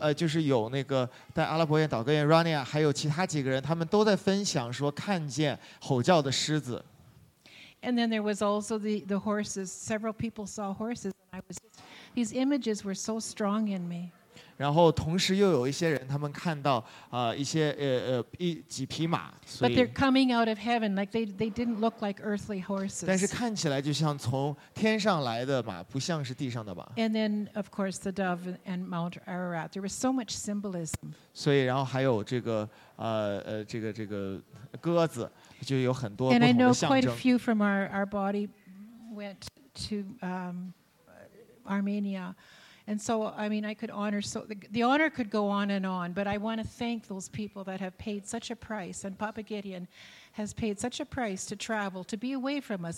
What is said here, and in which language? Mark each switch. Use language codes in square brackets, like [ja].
[zh] 所以他们其实除了就是有那个在阿拉伯院祷告院 Rania 还有其他几个人，他们都在分享说看见吼叫的狮子。 [en] And then there was also the horses. Several people saw horses, and I was just, these images were so strong in me. [zh] 然后同时又有一些人，他们看到一些几匹马。 [en] But they're coming out of heaven, like they didn't look like earthly horses. [zh] 但是看起来就像从天上来的马，不像是地上的马。 [en] And then of course the dove and Mount Ararat. There was so much symbolism. [zh] 所以然后还有这个鸽子。 [en] And I know quite a few from our body went to Armenia. And so, I mean, I could honor, so the honor could go on, but I want to thank those people that have paid such a price, and Papa Gideon has paid such a price to travel, to be away from us.